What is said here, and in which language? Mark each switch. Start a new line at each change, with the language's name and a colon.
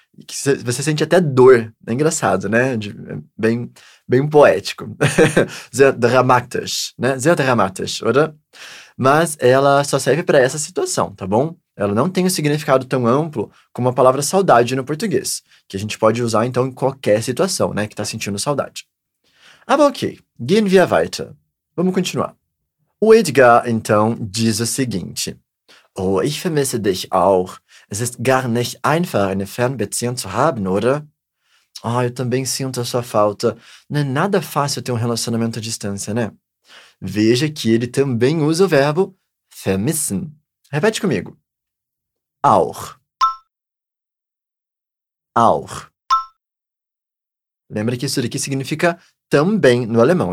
Portuguese: Que você sente até dor. É engraçado, né? Bem poético.
German: Sehr dramatisch, né? Sehr dramatisch, oder?
Portuguese: Mas ela só serve para essa situação, tá bom? Ela não tem um significado tão amplo como a palavra saudade no português, que a gente pode usar, então, em qualquer situação, né? Que está sentindo saudade.
German: Aber ok, gehen wir weiter.
Portuguese: Vamos continuar. O Edgar, então, diz o seguinte.
German: Oh, ich vermisse dich auch. Es ist gar nicht einfach, eine Fernbeziehung zu haben, oder?
Portuguese: Oh, eu também sinto a sua falta. Não é nada fácil ter um relacionamento à distância, né? Veja que ele também usa o verbo vermissen. Repete comigo. Auch. Auch. Lembra que isso daqui significa também no alemão.